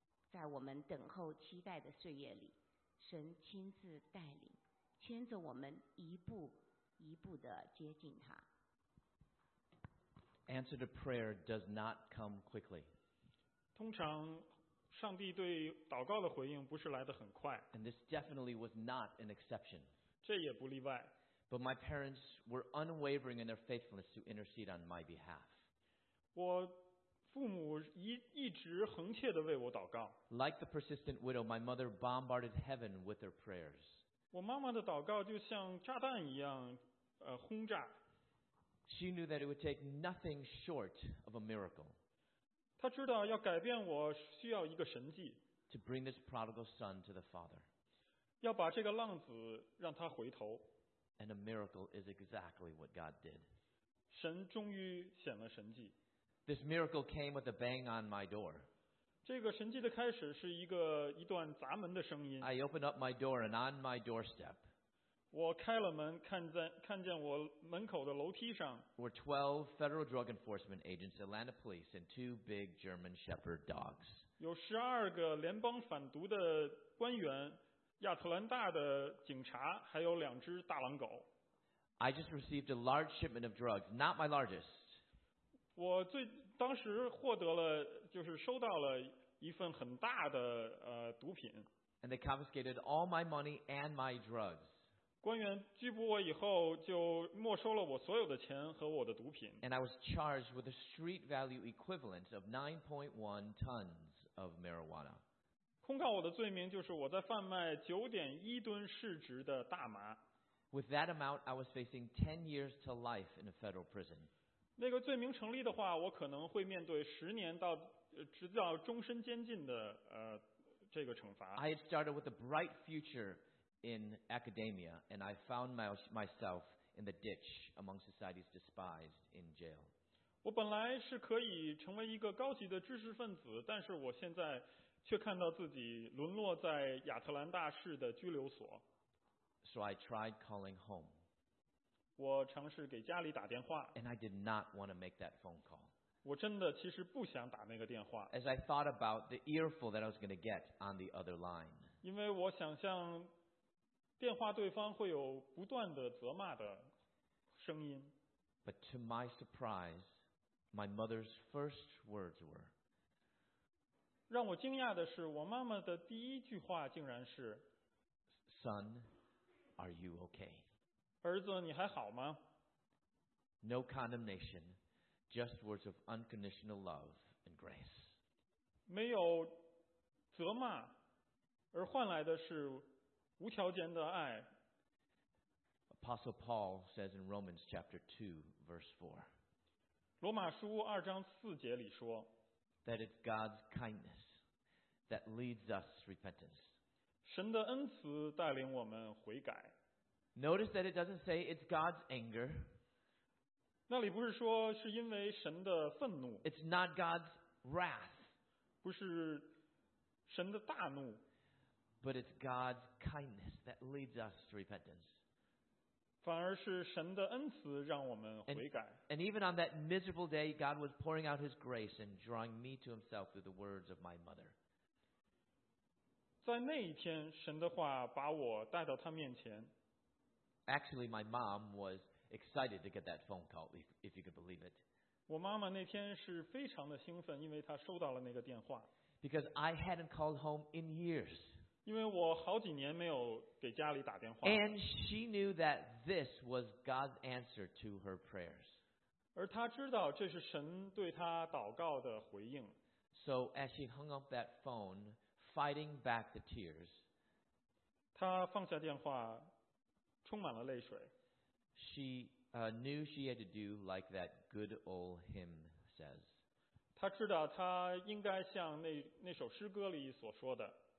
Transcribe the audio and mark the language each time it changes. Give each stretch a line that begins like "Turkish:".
Chinese: 在我们等候期待的岁月里，神亲自带领牵着我们一步一步地接近他。
English: Answer to prayer does not come quickly.
Chinese: 通常上帝对祷告的回应不是来得很快。
English: And this definitely was not an exception.
Chinese: 这也不例外。
English: But my parents were unwavering in their faithfulness to intercede on my behalf.
Chinese: 我父母一直恒切地为我祷告。
English: Like the persistent widow, my mother bombarded heaven with their prayers.
Chinese: 我妈妈的祷告就像炸弹一样，轰炸。
English: She knew that it would take nothing short of a miracle.
Chinese: 她知道要改变我需要一个神迹。
English: To bring this prodigal son to the father.
Chinese: 要把这个浪子让他回头。
English: And a miracle is exactly what God did.
Chinese: 神终于显了神迹。
English: This miracle came with a bang on my door.
Chinese: 这个神迹的开始是一段砸门的声音。
English: I opened up my door and on my doorstep.
Chinese: 我开了门，看见我门口的楼梯上。
English: Were 12 federal drug enforcement agents, Atlanta police, and 2 big German shepherd dogs.
Chinese: 有12个联邦反毒的官员。亚特兰大的警察还有两只大狼狗。
English: I just received a large shipment of drugs, not my largest.
Chinese: 我当时获得了，就是收到了一份很大的毒品。
English: And they confiscated all my money and my drugs.
Chinese: 官员拘捕我以后就没收了我所有的钱和我的毒品。
English: And I was charged with a street value equivalent of 9.1 tons of marijuana.
Chinese: 控告我的罪名就是我在贩卖 9.1 吨市值的大麻。
English: With that amount, I was facing 10 years to life in a federal prison.
Chinese: 那个罪名成立的话，我可能会面对10年到直到终身监禁的这个惩罚。
English: I had started with a bright future in academia, and I found myself in the ditch among society's despised in jail.
Chinese: 我本来是可以成为一个高级的知识分子，但是我现在。却看到自己沦落在亚特兰大市的拘留所。
English: So I tried calling home.
Chinese: 我尝试给家里打电话。
English: And I did not want to make that phone call.
Chinese: 我真的其实不想打那个电话。
English: As I thought about the earful that I was going to get on the other line.
Chinese: 因为我想象电话对方会有不断的责骂的声音。
English: But to my surprise, my mother's first words were.
Chinese: 让我惊讶的是，我妈妈的第一句话竟然是
English: ：“Son, are you okay？”
Chinese: 儿子，你还好吗
English: ？No condemnation, just words of unconditional love and grace.
Chinese: 没有责骂，而换来的是无条件的爱。
English: Apostle Paul says in Romans chapter 2, verse 4.
Chinese: 罗马书二章四节里说。
English: That it's God's kindness that leads us to repentance.
Chinese: 神的恩慈带领我们悔改。
English: Notice that it doesn't say it's God's anger.
Chinese: 那里不是说是因为神的愤怒。
English: It's not God's wrath.
Chinese: 不是神的大怒。
English: But it's God's kindness that leads us to repentance.
Chinese: 反而是神的恩慈让我们悔改。
English: And even on that miserable day, God was pouring out His grace and drawing me to Himself through the words of my mother.
Chinese: 在那一天，神的话把我带到他面前。
English: Actually, my mom was excited to get that phone call, if you could believe it.
Chinese: 我妈妈那天是非常的兴奋，因为她收到了那个电话。
English: Because I hadn't called home in years.
Chinese: 因为我好几年没有给家里打电话。
English: And she knew that this was God's answer to her prayers.
Chinese: 而他知道这是神对他祷告的回应。
English: So as she hung up that phone, fighting back the tears,
Chinese: 他放下电话，充满了泪水。
English: She knew she had to do like that good old hymn says.
Chinese: 他知道他应该像那首诗歌里所说的。